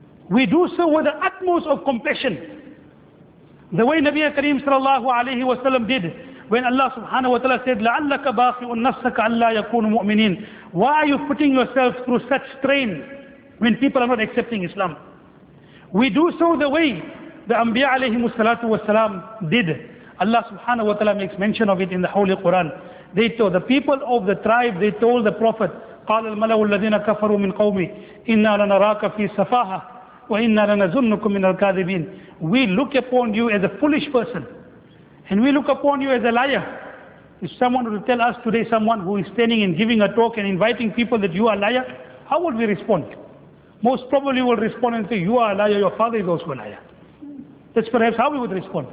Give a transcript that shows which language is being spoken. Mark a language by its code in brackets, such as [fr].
[en] We do so with the utmost of compassion. The way Nabiya Kareem sallallahu alayhi wa sallam did, when Allah subhanahu wa ta'ala said, [ar] لَعَلَّكَ بَاخِئُ النَّفْسَكَ أَلَّا يَكُونُ مُؤْمِنِينَ. [en] Why are you putting yourself through such strain when people are not accepting Islam? We do so the way the Anbiya alayhimu salatu wa salam did. Allah subhanahu wa ta'ala makes mention of it in the Holy Quran. They told the people of the tribe, they told the Prophet, [ar] قَالَ الْمَلَوُ الَّذِينَ كَفَرُوا مِنْ قَوْمِ إِنَّا لَنَرَاكَ فِي سَفَاهَةَ وَإِنَّا لَنَزُنُّكُمْ مِنَ الْكَاذِبِينَ. [en] We look upon you as a foolish person, and we look upon you as a liar. If someone were to tell us today, someone who is standing and giving a talk and inviting people, that you are a liar, how would we respond? Most probably we will respond and say, you are a liar, your father is also a liar. That's perhaps how we would respond.